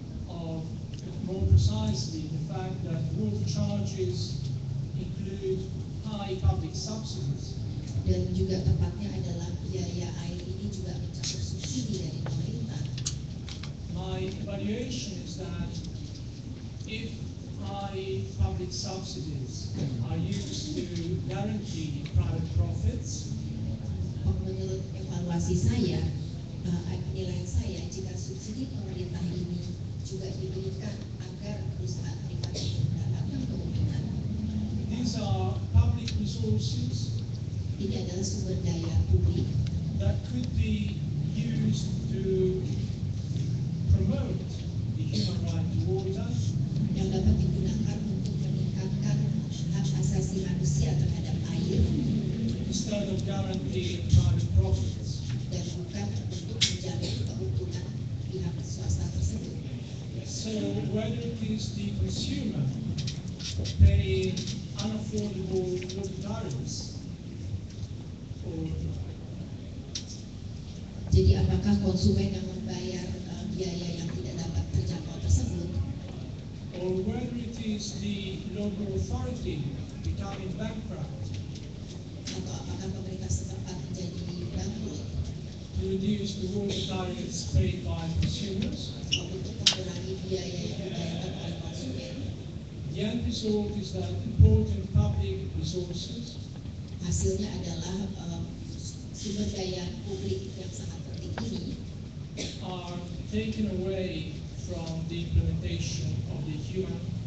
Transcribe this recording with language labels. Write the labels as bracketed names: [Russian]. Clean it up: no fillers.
[English] Of more precisely the fact that wolf charges include high public subsidies. [Indonesian] Dan juga tepatnya adalah biaya air ini juga mencakup subsidi dari pemerintah. [English] My evaluation is that if high public subsidies are used to guarantee private profits, [Indonesian] menurut evaluasi saya, penilaian saya, jika subsidi pemerintah ini juga diberikan agar perusahaan privat mendapatkan keuntungan. [English] These are public resources. [Indonesian] Ini adalah sumber daya publik. [English] That could be used to promote the human right to water. [Indonesian] Yang dapat digunakan untuk meningkatkan hak asasi manusia terhadap air. [English] Instead of guaranteeing private profits. [Indonesian] Dan bukan untuk menjamin keuntungan pihak swasta tersebut. [English] So whether it is the consumer paying unaffordable water tariffs. [Indonesian] Jadi apakah konsumen yang membayar biaya yang tidak dapat terjangkau tersebut? [English] Or whether it is the local authority becoming bankrupt? [Indonesian] Atau apakah pemerintah setempat menjadi bankrupt? [English] To reduce the water tariffs paid by consumers? [Indonesian] Untuk mengurangi biaya yang dibayarkan oleh konsumen? [English] The end result is that important public resources. [Indonesian] Hasilnya adalah sumber daya publik yang sangat penting ini [English] are taken away from the implementation of the human